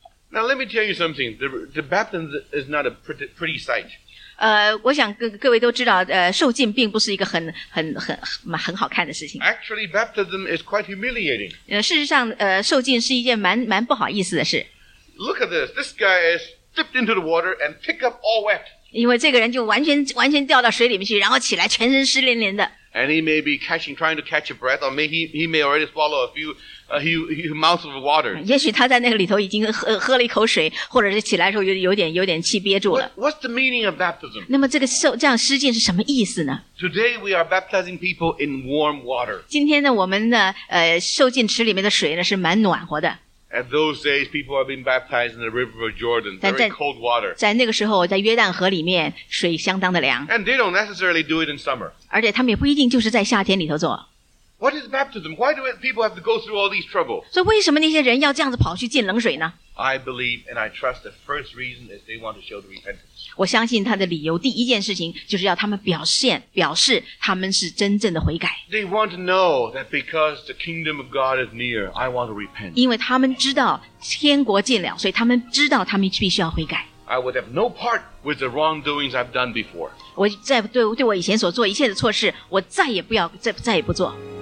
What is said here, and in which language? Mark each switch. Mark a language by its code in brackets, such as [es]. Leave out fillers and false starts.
[en] Now let me tell you something. The baptism is not a pretty sight. [zh] 我想各位都知道，受浸并不是一个很好看的事情。 [en] Actually, baptism is quite humiliating. [zh] 事实上，受浸是一件蛮不好意思的事。 [en] Look at this. This guy is dipped into the water and picked up all wet. [zh] 因为这个人就完全掉到水里面去，然后起来全身湿淋淋的。 [en] And he may be trying to catch a breath, or he may already swallow a few mouths of water. [zh] 也许他在那个里头已经喝了一口水，或者是起来的时候有点气憋住了。 [en] What's the meaning of baptism? [zh] 那么这样施浸是什么意思呢？ [en] Today we are baptizing people in warm water. [zh] 今天呢，我们的受浸池里面的水呢是蛮暖和的。 [en] At those days, people are being baptized in the River of Jordan, very cold water. [zh] 在那个时候，在约旦河里面，水相当的凉。 [en] And they don't necessarily do it in summer. [zh] 而且他们也不一定就是在夏天里头做。 [en] What is baptism? Why do people have to go through all these troubles? [zh] 所以为什么那些人要这样子跑去进冷水呢？ [en] I believe and I trust the first reason is they want to show the repentance. [zh] 我相信他的理由第一件事情就是要他们表示他们是真正的悔改。 [en] They want to know that because the kingdom of God is near, I want to repent. [zh] 因为他们知道天国近了，所以他们知道他们必须要悔改。 [en] I would have no part with the wrongdoings I've done before. [zh] 我再对我以前所做一切的错事，我再也不做。